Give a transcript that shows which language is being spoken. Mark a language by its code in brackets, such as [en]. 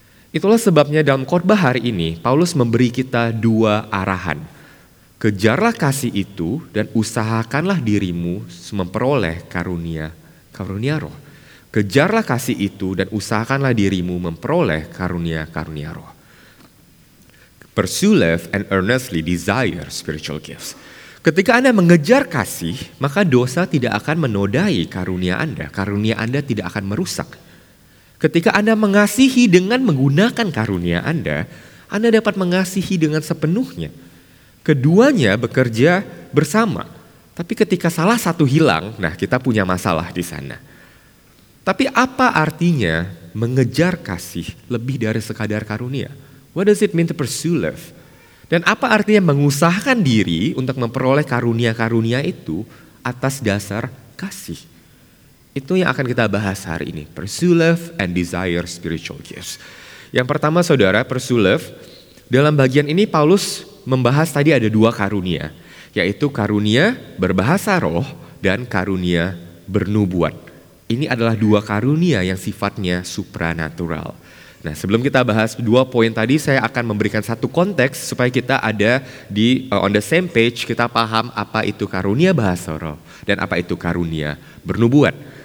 [id] Itulah sebabnya dalam khotbah hari ini, Paulus memberi kita 2 arahan. Kejarlah kasih itu dan usahakanlah dirimu memperoleh karunia-karunia roh. Kejarlah kasih itu dan usahakanlah dirimu memperoleh karunia-karunia roh. [en] Pursue love and earnestly desire spiritual gifts. [id] Ketika Anda mengejar kasih, maka dosa tidak akan menodai karunia Anda. Karunia Anda tidak akan merusak. Ketika Anda mengasihi dengan menggunakan karunia Anda, Anda dapat mengasihi dengan sepenuhnya. Keduanya bekerja bersama. Tapi ketika salah satu hilang, nah kita punya masalah di sana. Tapi apa artinya mengejar kasih lebih dari sekadar karunia? [en] What does it mean to pursue love? [id] Dan apa artinya mengusahakan diri untuk memperoleh karunia-karunia itu atas dasar kasih? Itu yang akan kita bahas hari ini. [en] Pursue love and desire spiritual gifts. [id] Yang pertama saudara, [en] pursue love. [id] Dalam bagian ini Paulus membahas tadi ada dua karunia. Yaitu karunia berbahasa roh dan karunia bernubuat. Ini adalah dua karunia yang sifatnya supranatural. Nah, sebelum kita bahas dua poin tadi, saya akan memberikan satu konteks supaya kita ada di [en] on the same page, [id] kita paham apa itu karunia bahasa roh dan apa itu karunia bernubuat.